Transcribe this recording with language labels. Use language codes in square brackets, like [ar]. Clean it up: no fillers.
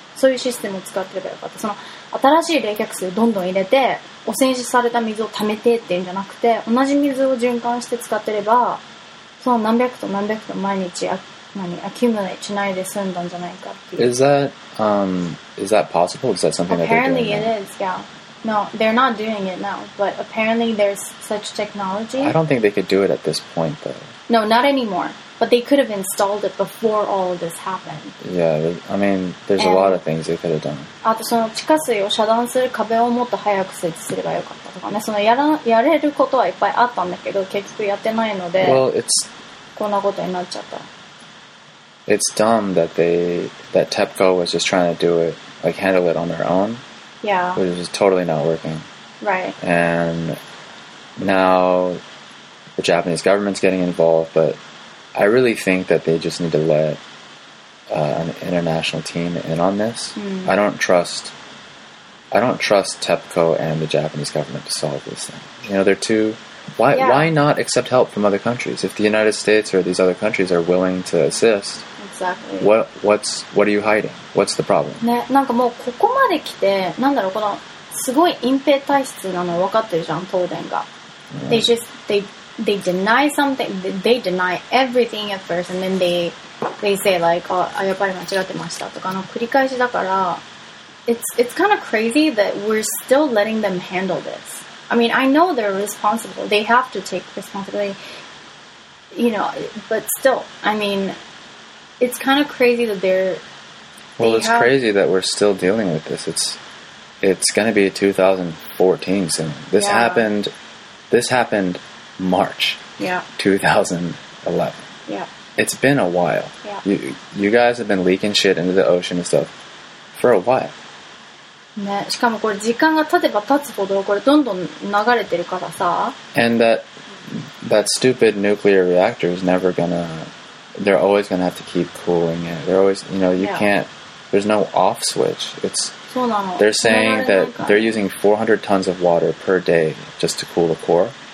[ja] そういうシステムを使ってればよかった。その新しい冷却水をどんどん入れて、汚染された水を溜めてっていうんじゃなくて、同じ水を循環して使ってれば、その何百と何百と毎日アキュムレートしないで済んだんじゃないかっていう。 [en] Is that possible? Is that something that they're doing? Apparently it is, yeah. No, they're not doing it now, but apparently there's such technology. I don't think they could do it at this point, though. No, not anymore. But they could have installed it before all of this happened. Yeah, I mean, there's a lot of things they could have done. [ja] あとその地下水を遮断する壁をもっと早く設置すればよかったとかね。そのやれることはいっぱいあったんだけど、結局やってないので、 [en] well, it's, [ja] こんなことになっちゃった。 [en] It's dumb that that TEPCO was just trying to do it, like handle it on their own. Yeah. Which is totally not working. Right. And now the Japanese government's getting involved, but... I really think that they just need to let an international team in on this. Mm. I don't trust I don't trust TEPCO and the Japanese government to solve this thing. You know, they're too... Why not accept help from other countries? If the United States or these other countries are willing to assist... Exactly. What are you hiding? What's the problem? [ja] ね、なんかもうここまで来て、なんだろう、このすごい隠蔽体質なの分かってるじゃん、東電が。 [en] Yeah. They just, they deny something, they deny everything at first, and then they say like, [ja] あ、やっぱり間違ってましたとかの繰り返しだから、 [en] It's kind of crazy that we're still letting them handle this. I mean, I know they're responsible. They have to take responsibility. You know, but still, I mean, it's kind of crazy that they're... Well, they it's have, crazy that we're still dealing with this. It's going to be 2014 soon. This yeah. happened... This happened March. Yeah. 2011. Yeah. It's been a while. Yeah. You guys have been leaking shit into the ocean and stuff for a while. [ja] ね、しかもこれ時間が経てば経つほどこれどんどん流れてるからさ。 [en] And that stupid nuclear reactor is never gonna, they're always gonna have to keep cooling it. They're always, you know, you、yeah. can't, there's no off switch. It's, [ja] そうなの。 [en] They're saying that they're using 400 tons of water per day just to cool the core.